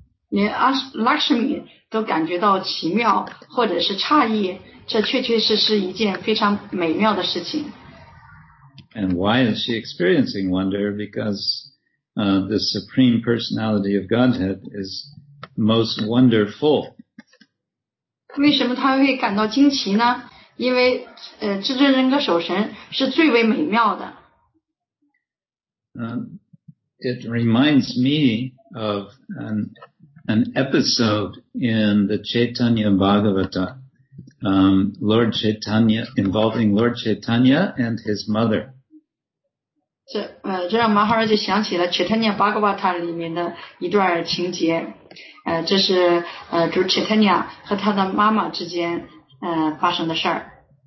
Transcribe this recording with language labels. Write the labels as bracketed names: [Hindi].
[Chinese] Lakshmi 都感觉到奇妙或者是诧异，这确确实实一件非常美妙的事情。 [English] And why is she experiencing wonder? Because the Supreme Personality of Godhead is most wonderful. [Chinese] 为什么她会感到惊奇呢？因为至尊人格首神是最为美妙的。 [English] It reminds me of an episode in the Chaitanya Bhagavata, Lord Chaitanya, involving Lord Chaitanya and his mother. [Chinese] 这让马哈尔就想起了 Chaitanya Bhagavata 里面的一段情节，这是主 Chaitanya 和他的妈妈之间发生的事儿。